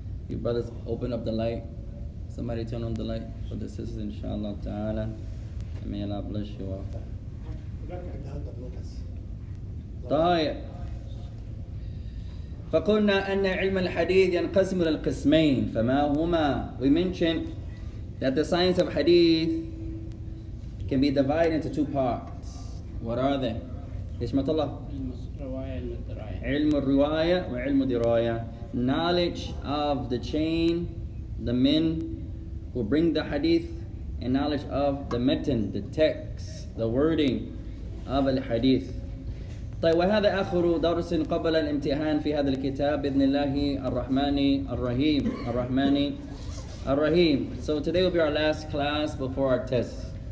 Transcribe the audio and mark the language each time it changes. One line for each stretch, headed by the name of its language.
English: You brothers, open up the light. Somebody turn on the light for the sisters, inshallah ta'ala. May Allah bless you all.
Arabic: طيب فقلنا أن علم الحديث ينقسم إلى القسمين فما هما.
English: We mentioned that the science of hadith can be divided into two parts. What are they? Hishmat Allah.
Arabic: علم الرواية وعلم الدراية.
English: Knowledge of the chain, the men who bring the hadith, and knowledge of the metin, the text, the wording of al-hadith.
Arabic: طيب وهذا آخر درس قبل الامتحان في هذا الكتاب بإذن الله الرحمن الرحيم الرحمن الرحيم.
English: So today will be our last class before our test.